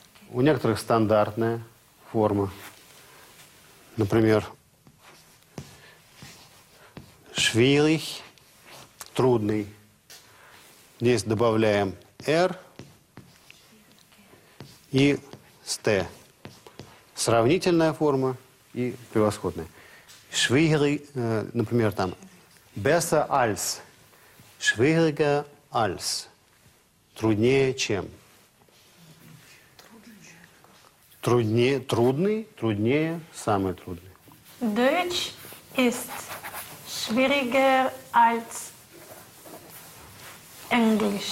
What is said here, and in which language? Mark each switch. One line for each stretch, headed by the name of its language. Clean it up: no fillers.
Russian: У некоторых стандартная форма. Например, schwierig, трудный. Здесь добавляем R и ст. Сравнительная форма и превосходная. Schwierig, например, там
German: besser als, schwieriger als,
Russian: труднее чем. Труднее, трудный, труднее, самый трудный.
German: Deutsch ist schwieriger als Englisch.